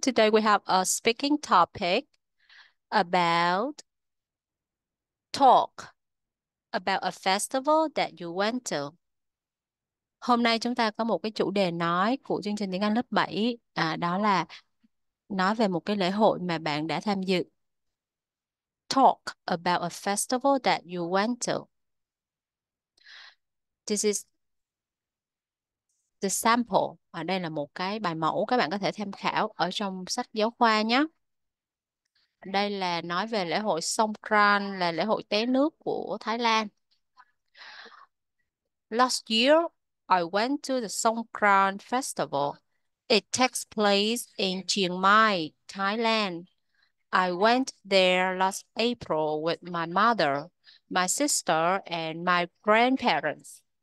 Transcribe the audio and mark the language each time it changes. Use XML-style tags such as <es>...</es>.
<en>Today we have a speaking topic about talk about a festival that you went to.</en> <vi>Hôm nay chúng ta có một cái chủ đề nói của chương trình tiếng Anh lớp 7, đó là nói về một cái lễ hội mà bạn đã tham dự.</vi> <en>Talk about a festival that you went to. This is the sample.</en> <vi>Ở đây là một cái bài mẫu các bạn có thể tham khảo ở trong sách giáo khoa nhé. Đây là nói về lễ hội Songkran, là lễ hội té nước của Thái Lan.</vi> <en>Last year, I went to the Songkran festival. It takes place in Chiang Mai, Thailand. I went there last April with my mother, my sister, and my grandparents.</en>